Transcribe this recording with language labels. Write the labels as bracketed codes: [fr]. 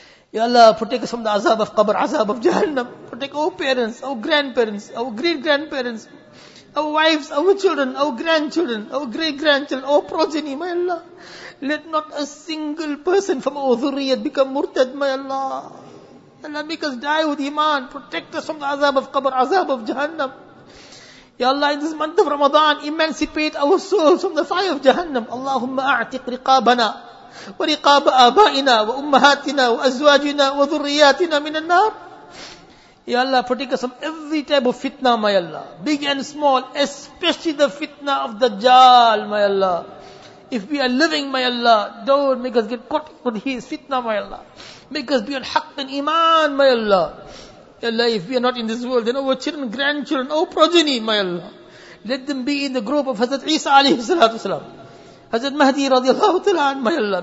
[en] Ya Allah, protect us from the azab of qabr, azab of jahannam. Protect our parents, our grandparents, our great-grandparents, our wives, our children, our grandchildren, our great-grandchildren, our progeny, may Allah. Let not a single person from our dhurriyat become murtad, may Allah. Ya Allah, make us die with iman. Protect us from the azab of qabr, azab of jahannam. Ya Allah, in this month of Ramadan, emancipate our souls from the fire of jahannam. [ar] Allahumma a'tiq riqabana. ورقاب آبائنا وأمهاتنا وأزواجنا وذرياتنا من النار. [en] يا الله protect us from every type of fitna, my Allah, big and small, especially the fitna of Dajjal, my Allah. If we are living, my Allah, don't make us get caught with his fitna, my Allah. Make us be on haqq and iman, my Allah. يا الله, if we are not in this world, then our children, grandchildren, our progeny, my Allah, let them be in the group of Hazrat Isa alayhi salatu wasalam, Hazrat Mahdi radiallahu ta'ala an, may Allah.